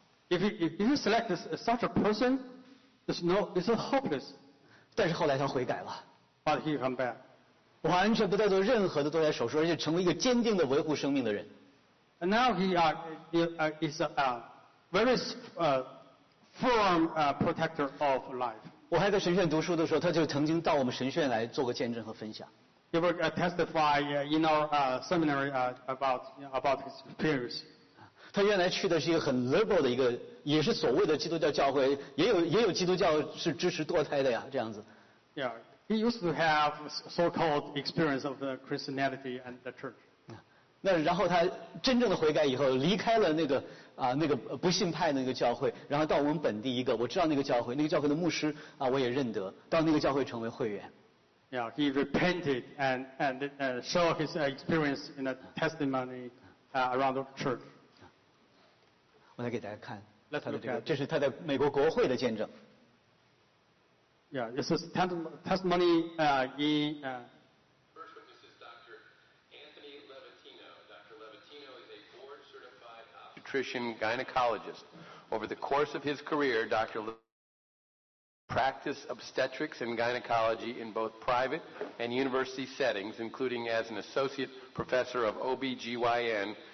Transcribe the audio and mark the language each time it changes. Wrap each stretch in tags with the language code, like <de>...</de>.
<en>If you select such a person, it's hopeless.</en> <zh>但是后来他悔改了。</zh> <en>But he come back.</en> <zh>完全不再做任何的堕胎手术，而且成为一个坚定的维护生命的人。</zh> <en>And now he is a very firm protector of life.</en> <zh>我还在神学院读书的时候，他就曾经到我们神学院来做个见证和分享。</zh> <en>He would testify in our seminary about his experience.</en> <zh>他原来去的是一个很 liberal 的一个，也是所谓的基督教教会，也有基督教是支持堕胎的呀，这样子。</zh> <en>Yeah, he used to have so-called experience of the Christianity and the church.</en> <zh>那然后他真正的悔改以后，离开了那个那个不信派的那个教会，然后到我们本地一个，我知道那个教会，那个教会的牧师我也认得，到那个教会成为会员。</zh> <en>Yeah, he repented and show his experience in a testimony around the church.</en> <zh>我来给大家看他的这个，这是他在美国国会的见证。</zh> <en>Yeah, this is testimony in. First witness is Dr. Anthony Levitino. Dr. Levitino is a board-certified obstetrician gynecologist. Over the course of his career, Dr. practiced obstetrics and gynecology in both private and university settings, including as an associate professor of OB/GYN.</en>